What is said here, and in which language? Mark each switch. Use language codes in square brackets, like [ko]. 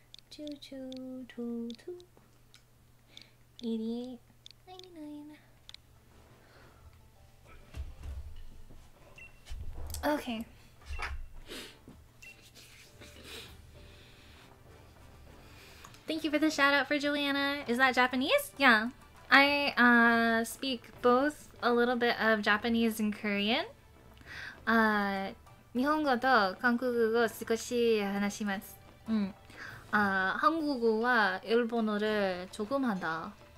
[en] Choo choo choo choo. 88, 99. Okay. Thank you for the shout out for Juliana. Is that Japanese? Yeah. I speak both a little bit of Japanese and Korean. [ja] 日本語と韓国語を少し話します. Mm. [ko] 아, 한국어와 일본어를 조금 한다.